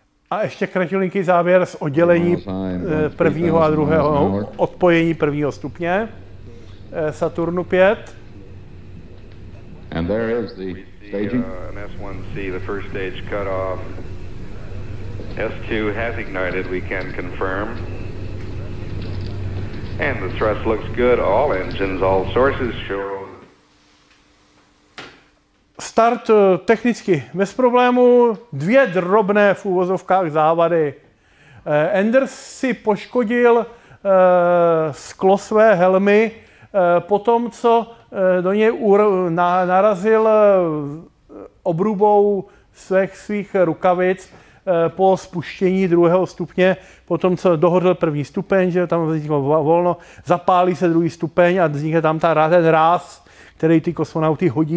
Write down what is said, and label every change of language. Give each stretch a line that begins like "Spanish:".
Czech: A ještě kratilinký závěr z oddělení prvního a druhého, odpojení prvního stupně Saturnu 5.
English: And there is the staging. An S1C, the first stage cut off. S2 has ignited, we can confirm. And the thrust looks good. All engines, all sources show.
Czech: Start technicky bez problému. Dvě drobné v úvozovkách závady. Anders si poškodil sklo své helmy po tom, co do něj narazil obrubou svých rukavic po spuštění druhého stupně, potom co dohodl první stupeň, že tam vzniklo volno, zapálí se druhý stupeň a vznikne tam ten ráz, který ty kosmonauty